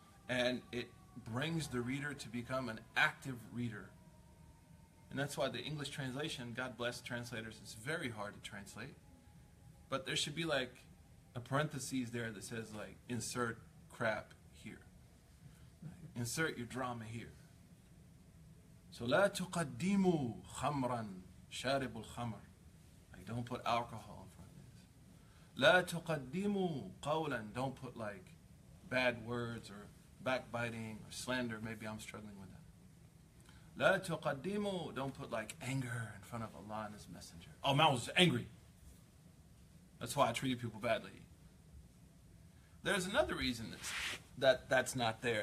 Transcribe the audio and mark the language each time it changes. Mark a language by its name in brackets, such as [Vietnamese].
[English] And it brings the reader to become an active reader. And that's why the English translation, God bless translators, it's very hard to translate. But there should be like a parenthesis there that says like, insert crap here. Insert your drama here. [Arabic] So, لا تقدموا خمرا شارب الخمر. [English] Don't put alcohol in front of this. [Arabic] La تقدموا قولاً. [English] Don't put like bad words or backbiting or slander. Maybe I'm struggling with that. [Arabic] La تقدموا. [English] Don't put like anger in front of Allah and His Messenger. Oh, man, I was angry. That's why I treated people badly. There's another reason that's not there.